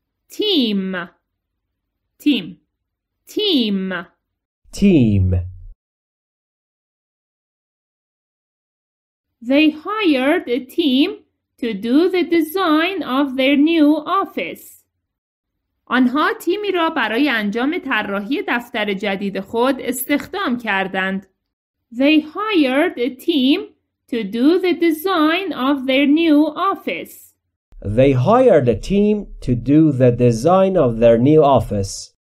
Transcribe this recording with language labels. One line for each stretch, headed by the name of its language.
English: Team. Team. Team. Team. They hired a team to do the design of their new office.
Persian: آنها تیمی را برای انجام طراحی دفتر جدید خود استخدام کردند.
English: They hired a team to do the design of their new office. They hired a team to do the design of their new office.